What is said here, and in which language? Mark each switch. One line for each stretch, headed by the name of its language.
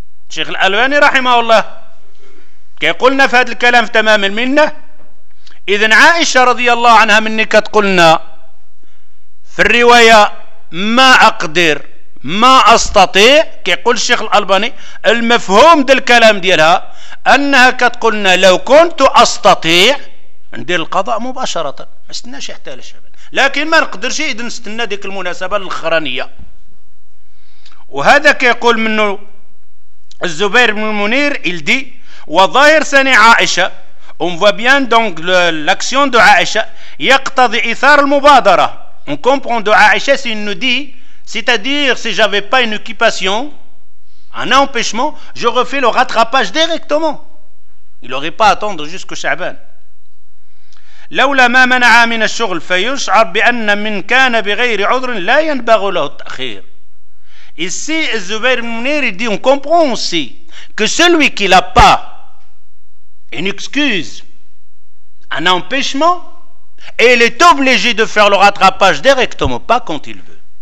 Arabic: شيخ الألباني رحمه الله كي قلنا في هذا الكلام في تمام المنة إذن عائشة رضي الله عنها منك تقولنا في الرواية ما أقدر ما أستطيع كيقول الشيخ الألباني المفهوم دي الكلام ديالها أنها كتقولنا لو كنت أستطيع ندير القضاء مباشرة ما استناش حتى للشعبان لكن ما نقدرش إذن استنى ديك المناسبة الأخرانية. وهذا كيقول منه الزبير بن المنير إلدي وظاهر سني عائشة
French: on voit bien donc l'action de
Arabic: عائشة يقتضي إثار المبادرة.
French: On comprend de Aïcha s'il nous dit, c'est-à-dire si j'avais pas une occupation, un empêchement, je refais le rattrapage directement. Il n'aurait pas à attendre jusqu'au Sha'ban.
Arabic: لولا ما منع من الشغل فيشعر بأن من كان بغير عذر لا ينبغي له التأخير.
French: Ici, Zubair ibn Munir dit, on comprend aussi que celui qui n'a pas une excuse, un empêchement, et il est obligé de faire le rattrapage directement, pas quand il veut.